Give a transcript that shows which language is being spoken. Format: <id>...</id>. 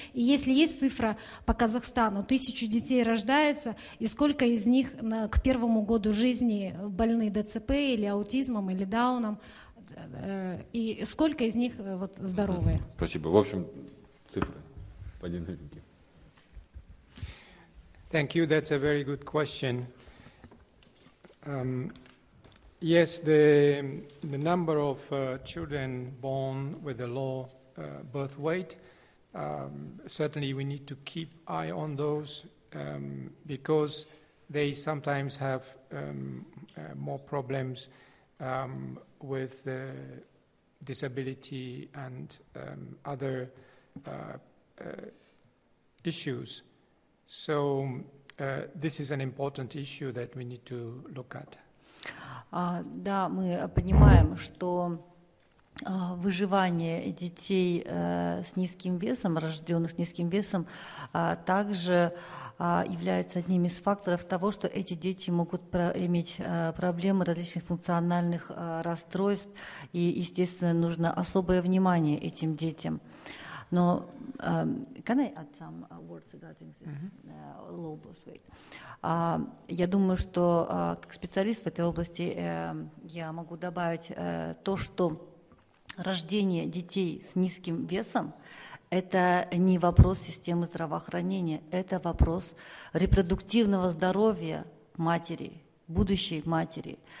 <ru>И если есть цифра по Казахстану, 1000 детей рождаются, и сколько из них к первому году жизни больны ДЦП или аутизмом, или дауном, и сколько из них вот, здоровые? Спасибо. В общем, цифры по динамике.</ru> <en>Thank you. That's a very good question. Yes, the number of children born with a low birth weight, certainly we need to keep eye on those because they sometimes have more problems with disability and other issues. So this is an important issue that we need to look at.</en> <ru>Да, мы понимаем, что выживание детей с низким весом, рожденных с низким весом, также является одним из факторов того, что эти дети могут иметь проблемы различных функциональных расстройств, и, естественно, нужно особое внимание этим детям.</ru> <en>Но can I add some words regarding this low birth weight?</en> <ru>Я думаю, что как специалист в этой области я могу добавить то, что рождение детей с низким весом – это не вопрос системы здравоохранения, это вопрос репродуктивного здоровья матери, будущей матери.</ru>